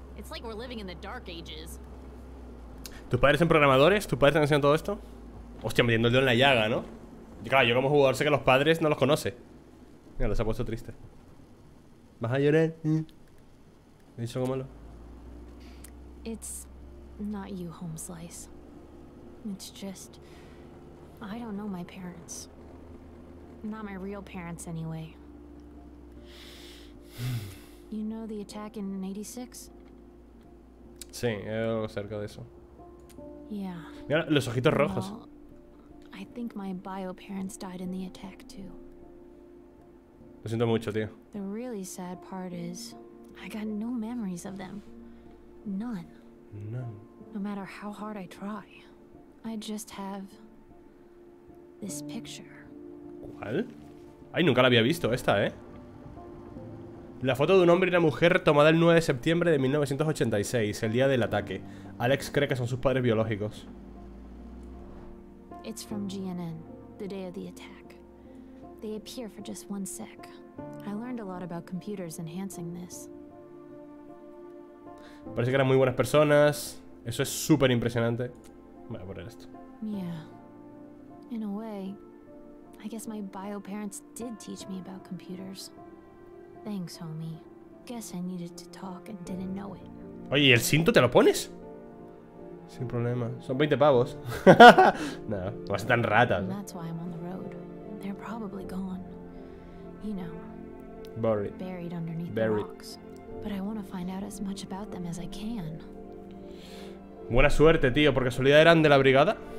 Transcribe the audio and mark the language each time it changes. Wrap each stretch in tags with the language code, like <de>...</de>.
<en>It's like we're living in the dark ages.</en> <es>¿Tus padres son programadores? ¿Tus padres están haciendo todo esto? Hostia, metiendo el dedo en la llaga, ¿no? Y claro, yo como jugador sé que los padres no los conoce. Mira, los ha puesto triste. ¿Vas a llorar? ¿Me hizo algo malo?</es> <en>It's not you, Homeslice. It's just I don't know my parents. Not my real parents anyway. You know the attack in 86?</en> <es>Sí, algo cerca de eso.</es> <en>Yeah.</en> <es>Mira, los ojitos rojos.</es> <en>Well, I think my bio parents died in the attack too.</en> <es>Lo siento mucho, tío.</es> <en>The really sad part is I got no memories of them. None. None. No matter how hard I try, I just have this picture.</en> <es>¿Cuál? Ay, nunca la había visto esta, ¿eh? La foto de un hombre y una mujer tomada el 9 de septiembre de 1986, el día del ataque. Alex cree que son sus padres biológicos.</es> <en>It's from GNN, the day of the attack. They appear for just one sec. I learned a lot about computers enhancing this.</en> <es>Parece que eran muy buenas personas. Eso es súper impresionante. Voy a poner esto.</es> <en>Yeah. In a way, I guess my bio parents did teach me about computers. Thanks, homie. Guess I needed to talk and didn't know it.</en> <es>Oye, ¿y el cinto te lo pones? Sin problema. Son 20 pavos. No, no vas a ser tan rata.</es> <en>That's why I'm on the road. They're probably gone. You know. Buried. Buried underneath the rocks. But I want to find out as much about them as I can.</en> <es>Buena suerte, tío, ¿por casualidad eran de la brigada?</es>